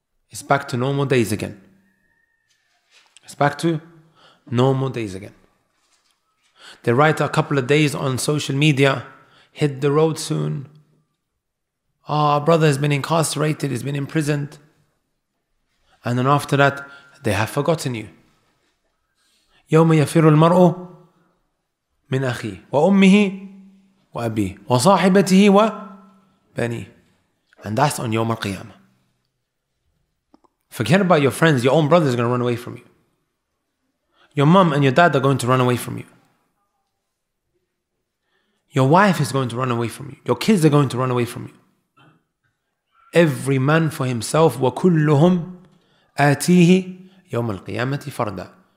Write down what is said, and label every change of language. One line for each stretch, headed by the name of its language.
English: It's back to normal days again. It's back to normal days again. They write a couple of days on social media, hit the road soon. Oh, our brother has been incarcerated, he's been imprisoned. And then after that, they have forgotten you.
Arabic: يوم يفر المرء من أخيه وأمه وأبيه وصاحبته وبنيه.
English: And that's on يوم القيامة. Forget about your friends. Your own brothers are going to run away from you. Your mom and your dad are going to run away from you. Your wife is going to run away from you. Your kids are going to run away from you. Every man for himself,
Arabic: وَكُلُّهُمْ آتِيهِ يَوْمَ الْقِيَامَةِ فَرْدًا.